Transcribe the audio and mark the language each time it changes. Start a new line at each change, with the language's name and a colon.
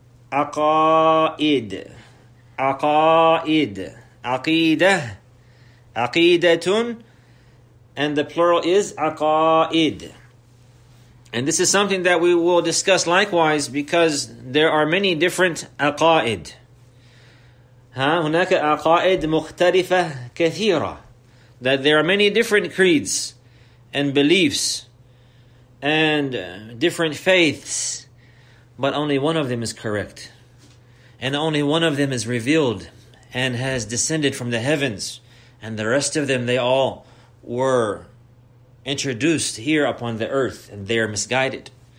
English: Aqaid. Aqaid. Aqeedah. Aqeedatun. And the plural is Aqaid. And this is something that we will discuss likewise, because there are many different Aqaid.
Arabic: هناك أقائد مختلفة كثيرة.
English: That there are many different creeds and beliefs and different faiths, but only one of them is correct. And only one of them is revealed and has descended from the heavens. And the rest of them, they all were introduced here upon the earth, and they are misguided.